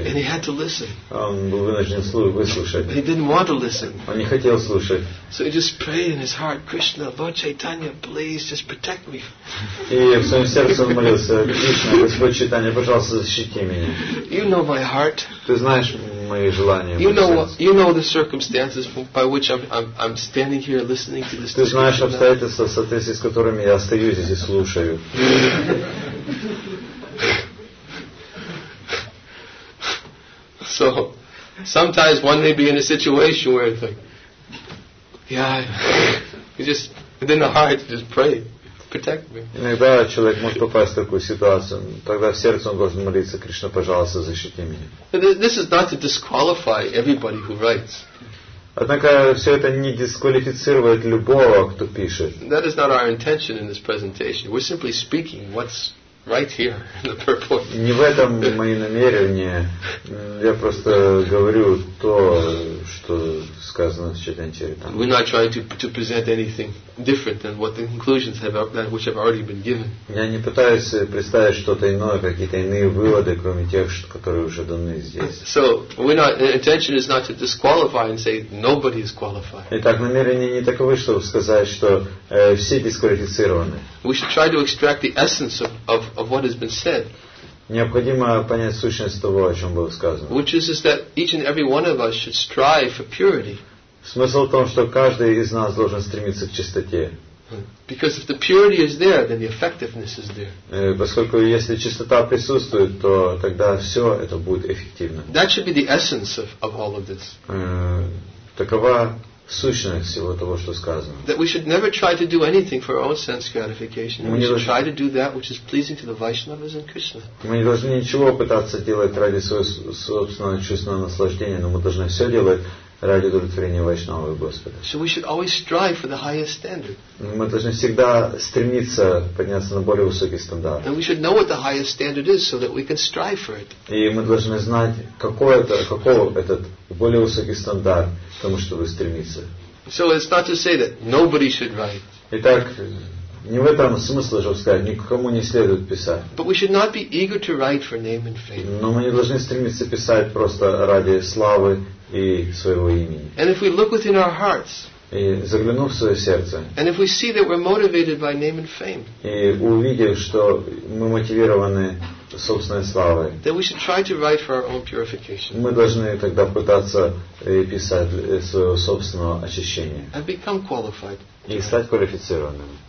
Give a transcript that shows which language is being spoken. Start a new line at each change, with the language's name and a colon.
English: And he had to listen.
Russian: Он был вынужден выслушать.
English: He didn't want to listen.
Russian: Он не хотел слушать.
English: So he just prayed in his heart, Krishna, Lord Chaitanya, please just protect me.
Russian: И в своем сердце он молился, Кришна, Господь Чайтанья, пожалуйста, защити меня.
English: You know my heart.
Russian: Ты знаешь мои желания.
English: You know the circumstances by which I'm standing here listening to this.
Russian: Ты знаешь обстоятельства, в соответствии с которыми я стою здесь и слушаю.
English: So sometimes one may be in a situation where it's like, yeah, you just within the heart just pray, protect me.
Russian: Иногда человек может попасть в такую ситуацию, тогда в сердце он должен молиться, Кришна, пожалуйста, защити меня.
English: This is not to disqualify everybody who writes.
Russian: Однако все это не дисквалифицирует любого, кто пишет.
English: That is not our intention in this presentation. We're simply speaking what's right here in the purport.
Russian: Не в этом мои намерения. Я просто говорю то, что сказано в Чайтанья Чаритамрите.
English: We're not trying to present anything different than what the conclusions have that which have already been given.
Russian: Я не пытаюсь представить что-то иное, какие-то иные выводы, кроме тех, которые уже даны здесь.
English: So we're not. Intention is not to disqualify and say nobody is qualified.
Russian: Итак, намерение не таковы, чтобы сказать, что все дисквалифицированы.
English: We should try to extract the essence of what has been said.
Russian: Необходимо понять сущность того, о чем было сказано.
English: Which is that each and every one of us should strive for purity.
Russian: Смысл в том, что каждый из нас должен стремиться к чистоте.
English: Because if the purity is there, then the effectiveness is there.
Russian: Поскольку если чистота присутствует, то тогда все это будет эффективно.
English: That should be the essence of all of this.
Russian: Такова сущность всего того, что сказано.
English: That we should never try to do anything for our own sense gratification. We should try to do that which is pleasing to the Vaishnavas and Krishna.
Russian: Мы не должны ничего пытаться делать ради своего собственного чувственного наслаждения, но мы должны все делать. Ради удовлетворения Вайшнава и Господа.
English: So we should always strive for the highest standard.
Russian: Мы должны всегда стремиться подняться на более высокий стандарт.
English: And we should know what the highest standard is so that we can strive for it.
Russian: И мы должны знать, каков этот более высокий стандарт, к тому, чтобы стремиться.
English: So it's not to say that nobody should write.
Russian: Итак, не в этом смысле, чтобы сказать, никому не следует писать.
English: But we should not be eager to write for name and fame.
Russian: Но мы не должны стремиться писать просто ради славы и своего имени.
English: And if we look within our hearts,
Russian: и заглянув в свое сердце,
English: and if we see that we're motivated by name and fame,
Russian: и увидев, что мы мотивированы собственной славой,
English: then we should try to write for our own purification.
Russian: Мы должны тогда пытаться писать своего собственного очищения.
English: And become qualified.
Russian: И стать квалифицированным.